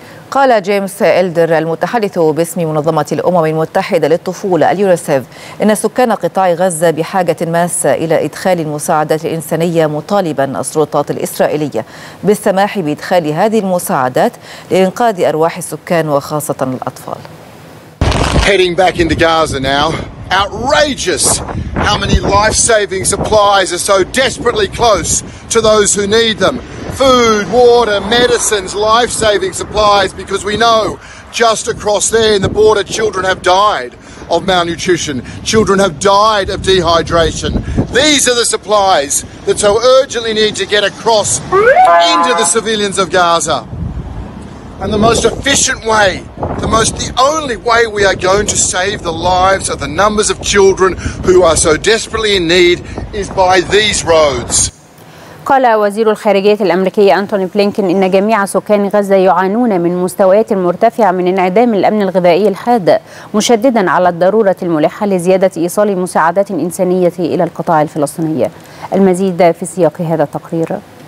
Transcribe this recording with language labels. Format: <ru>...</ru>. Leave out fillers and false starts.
<ar>قال جيمس إلدر المتحدث باسم منظمة الأمم المتحدة للطفولة اليونيسف إن سكان قطاع غزة بحاجة ماسة إلى إدخال المساعدات الإنسانية، مطالبا السلطات الإسرائيلية بالسماح بإدخال هذه المساعدات لإنقاذ أرواح السكان وخاصة الأطفال.</ar> <en>Heading back into Gaza now. Outrageous how many life-saving supplies are so desperately close to those who need them. Food, water, medicines, life-saving supplies, because we know just across there in the border, children have died of malnutrition. Children have died of dehydration. These are the supplies that so urgently need to get across into the civilians of Gaza. And the most efficient way, the only way we are going to save the lives of the numbers of children who are so desperately in need is by these roads.</en> <ar>قال وزير الخارجية الأمريكي أنتوني بلينكن إن جميع سكان غزة يعانون من مستويات مرتفعة من انعدام الأمن الغذائي الحاد، مشددا على الضرورة الملحة لزيادة إيصال مساعدات إنسانية إلى القطاع الفلسطيني. المزيد في سياق هذا التقرير.</ar>